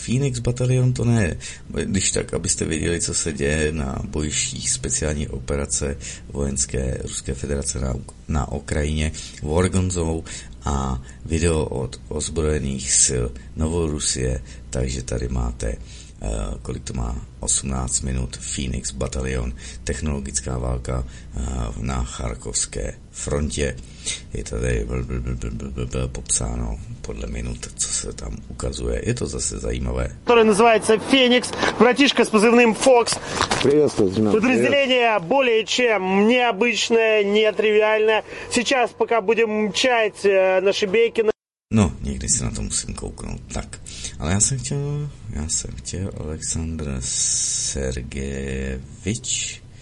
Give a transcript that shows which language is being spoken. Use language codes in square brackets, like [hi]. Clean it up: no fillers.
[cs] Phoenix Batalion to ne. Když tak, abyste věděli, co se děje na bojištích speciální operace vojenské Ruské federace na Ukrajině, War Gonzou, a video od ozbrojených sil Novorusie, takže tady máte, kolik to má, 18 minut, Phoenix Batalion, technologická válka na Charkovské frontě. Je tady popsáno podle minut, co se tam ukazuje. Je to zase zajímavé. Který [ru] называется Феникс, братишка с позывным Фокс. Приветствую, Дима. Подразделение более чем необычное, нетривиальное. Сейчас пока будем мчать наши бейки. [cs] No, někdy se na to musím kouknout. Tak, ale já jsem chtěl Aleksandr Sergejevič.